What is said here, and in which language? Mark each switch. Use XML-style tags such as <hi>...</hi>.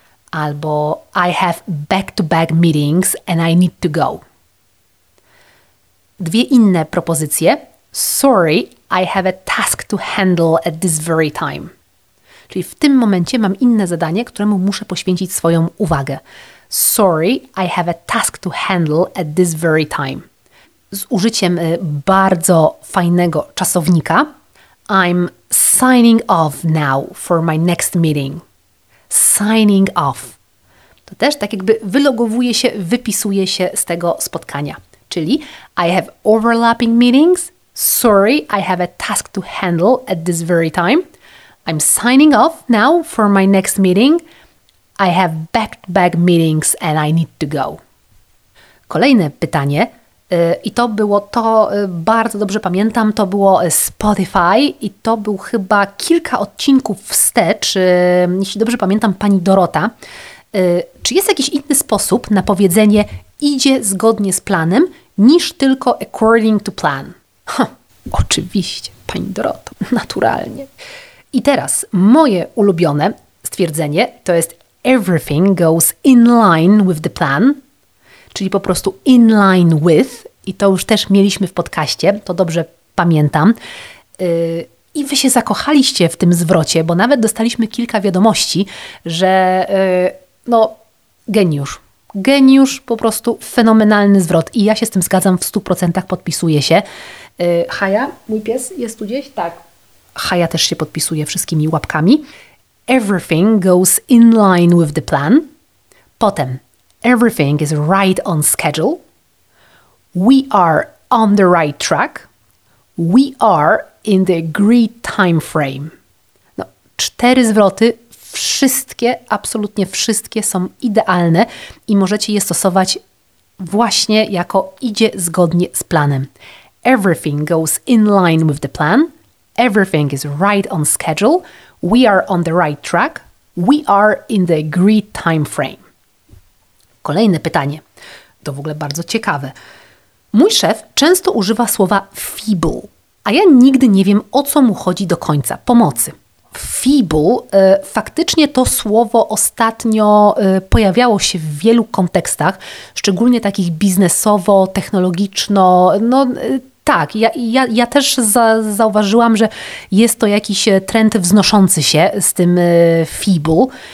<pl>Albo</pl> <en>I have back-to-back meetings and I need to go.</en> <pl>Dwie inne propozycje.</pl> <en>Sorry, I have a task to handle at this very time.</en> <pl>Czyli w tym momencie mam inne zadanie, któremu muszę poświęcić swoją uwagę.</pl> <en>Sorry, I have a task to handle at this very time.</en> <pl>Z użyciem bardzo fajnego czasownika.</pl> <en>I'm signing off now for my next meeting. Signing off.</en> <pl>To też tak jakby wylogowuje się, wypisuje się z tego spotkania. Czyli</pl> <en>I have overlapping meetings. Sorry, I have a task to handle at this very time. I'm signing off now for my next meeting. I have back-to-back meetings and I need to go.</en> <pl>Kolejne pytanie. I to było to, bardzo dobrze pamiętam, to było Spotify i to był chyba kilka odcinków wstecz, jeśli dobrze pamiętam, pani Dorota. Czy jest jakiś inny sposób na powiedzenie idzie zgodnie z planem niż tylko</pl> <en>according to plan?</en> <pl>Oczywiście, pani Dorota, naturalnie. I teraz moje ulubione stwierdzenie to jest</pl> <en>everything goes in line with the plan,</en> <pl>czyli po prostu in line with i to już też mieliśmy w podcaście, to dobrze pamiętam. I Wy się zakochaliście w tym zwrocie, bo nawet dostaliśmy kilka wiadomości, że no geniusz. Geniusz, po prostu fenomenalny zwrot i ja się z tym zgadzam w 100%, podpisuję się. Haja, mój pies jest tu gdzieś? Tak. Haja też się podpisuje wszystkimi łapkami.</pl> <en>Everything goes in line with the plan.</en> <pl>Potem,</pl> <en>everything is right on schedule. We are on the right track. We are in the agreed time frame.</en> <pl>No, cztery zwroty, wszystkie, absolutnie wszystkie są idealne i możecie je stosować właśnie jako idzie zgodnie z planem.</pl> <en>Everything goes in line with the plan. Everything is right on schedule. We are on the right track. We are in the agreed time frame.</en> <pl>Kolejne pytanie. To w ogóle bardzo ciekawe. Mój szef często używa słowa feeble, a ja nigdy nie wiem, o co mu chodzi do końca. Pomocy. Feeble, faktycznie to słowo ostatnio pojawiało się w wielu kontekstach, szczególnie takich biznesowo, technologiczno, no tak, ja też zauważyłam, że jest to jakiś trend wznoszący się z tym feeble.</pl>